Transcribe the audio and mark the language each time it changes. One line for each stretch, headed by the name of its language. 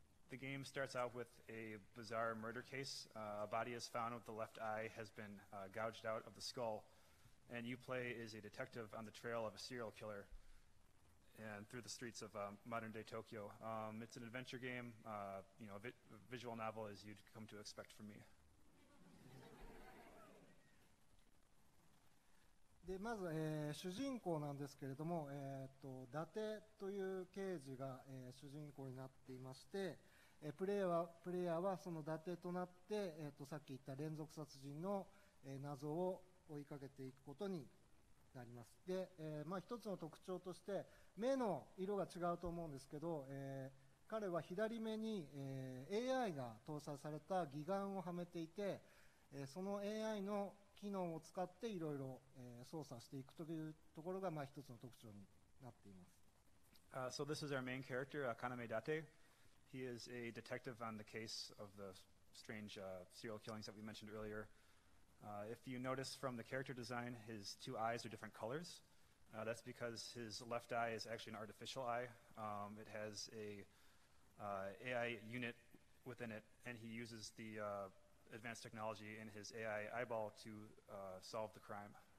English: The game starts out with a bizarre murder case. A body is found with the left eye has been gouged out of the skull. And you play as a detective on the trail of a serial killer and through the streets of modern-day Tokyo. It's an adventure game, visual novel, as you'd come to expect from me.
Japanese: でまず、主人公なんですけれども、伊達という刑事が、主人公になっていまして、プレイヤーはその伊達となって、さっき言った連続殺人の、謎を追いかけていくことになります。で、一つの特徴として目の色が違うと思うんですけど、彼は左目に、AI が搭載された義眼をはめていて、その AI の機能を使っていろいろ操作していくというところが一つの特徴になっています。
English: So this is our main character, Kaname Date. He is a detective on the case of the strange serial killings that we mentioned earlier. If you notice from the character design, his two eyes are different colors. That's because his left eye is actually an artificial eye. It has a AI unit within it, and he uses the advanced technology in his AI eyeball to solve the crime.